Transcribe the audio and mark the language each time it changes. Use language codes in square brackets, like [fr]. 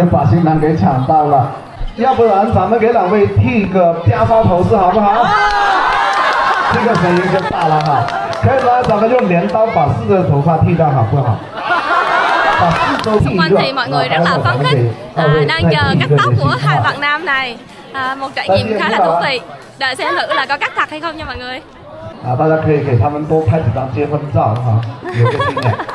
[zh] Rất 要不然咱们给两位递个啪啪投资好不好？这个声音就大了哈，可以吗？咱们用镰刀把四个头发剃掉好不好？把四周剃掉。 [vi] thì mọi người rất là phấn khích, đang chờ cắt tóc của hai bạn nam này, một trải nghiệm khá là thú vị. Đợi xem thử là có cắt thật hay không nha mọi người. [zh] À, 大家可以给他们多拍几张结婚照哈，有个经验。